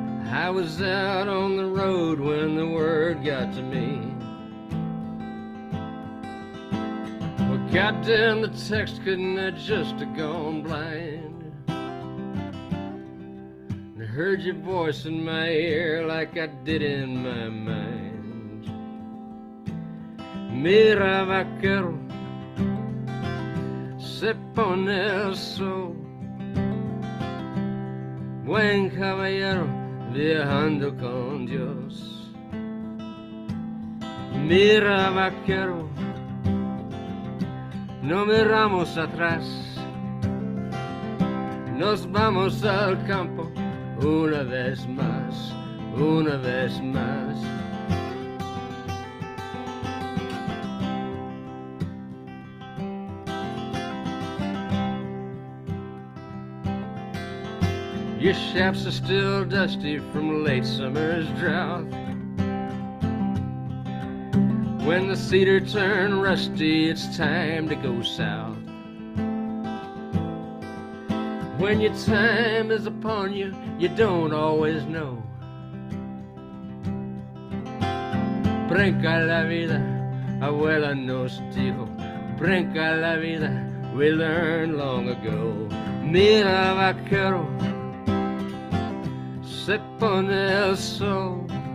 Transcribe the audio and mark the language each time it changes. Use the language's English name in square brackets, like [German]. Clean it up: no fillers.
[English] I was out on the road when the word got to me. Well, goddamn, the text couldn't have just gone blind. And I heard your voice in my ear like I did in my mind. [Spanish] Mira vaquero, se pone el sol. Buen caballero, viajando con Dios. Mira vaquero, no miramos atrás, nos vamos al campo una vez más, una vez más. [English] Your shafts are still dusty from late summer's drought. When the cedar turned rusty, it's time to go south. When your time is upon you, you don't always know. [Spanish] Brinca la vida, abuela nos dijo. Brinca la vida, [English] we learned long ago. [Spanish] Mira vaquero, se pone el sol.